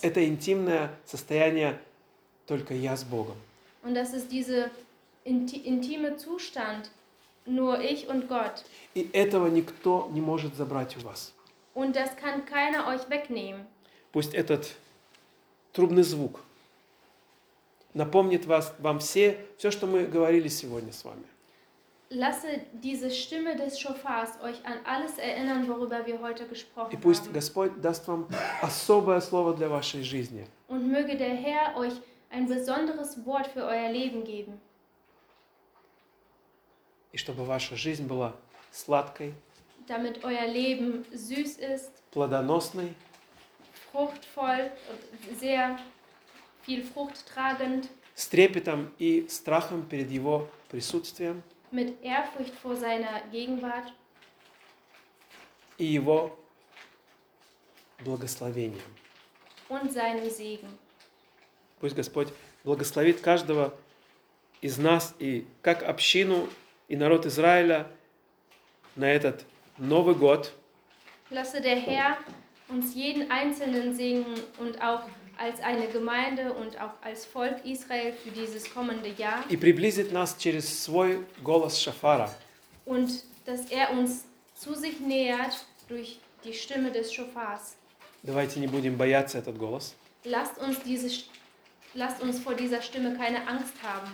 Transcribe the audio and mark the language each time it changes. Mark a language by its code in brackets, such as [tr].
[ru] Это интимное состояние только я с Богом. [de] Und das ist diese intime Zustand nur ich und Gott. [ru] И этого никто не может забрать у вас. [de] Und das kann keiner euch wegnehmen. [ru] Пусть этот трубный звук напомнит вас, вам все, все, что мы говорили сегодня с вами. [de] Lasse diese Stimme des Schafars euch an alles erinnern, worüber wir heute gesprochen haben. [ru] И пусть Господь даст вам особое слово для вашей жизни. [de] Und möge der Herr euch ein besonderes Wort für euer Leben geben. [ru] И чтобы ваша жизнь была сладкой. [de] Damit euer Leben süß ist. [ru] Плодоносной. [de] Fruchtvoll, sehr viel Frucht tragend. [ru] С трепетом и страхом перед Его присутствием. [de] Mit Ehrfurcht vor seiner Gegenwart. [ru] и Его благословением. [de] Und seinem Segen. [ru] Пусть Господь благословит каждого из нас и как общину и народ Израиля на этот Новый год. [de] Lasse der Herr uns jeden einzelnen segnen und auch als eine Gemeinde und auch als Volk Israel für dieses kommende Jahr. [ru] И приблизит нас через свой голос шофара. [de] Und dass er uns zu sich nähert durch die Stimme des Schofars. [ru] Давайте не будем бояться этот голос. [de] Lasst uns vor dieser Stimme keine Angst haben.